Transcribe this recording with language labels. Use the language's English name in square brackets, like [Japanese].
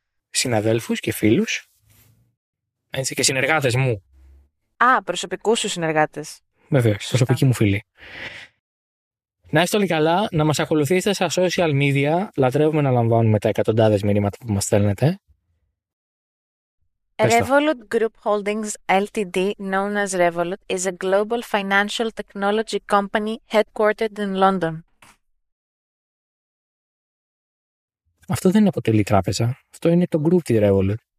[Greek] Συναδέλφους και φίλους. Έτσι, και συνεργάτες μου. Α, προσωπικούς σου συνεργάτες. Βέβαια, προσωπική μου φίλη. Να είστε όλοι καλά, να μας ακολουθήσετε στα social media. Λατρεύουμε να λαμβάνουμε τα εκατοντάδες μηνύματα που μας στέλνετε. [English] Revolut Group Holdings LTD, known as Revolut, is a global financial technology company headquartered in London. [Greek] Αυτό δεν αποτελεί τράπεζα. Αυτό είναι το group της Revolut.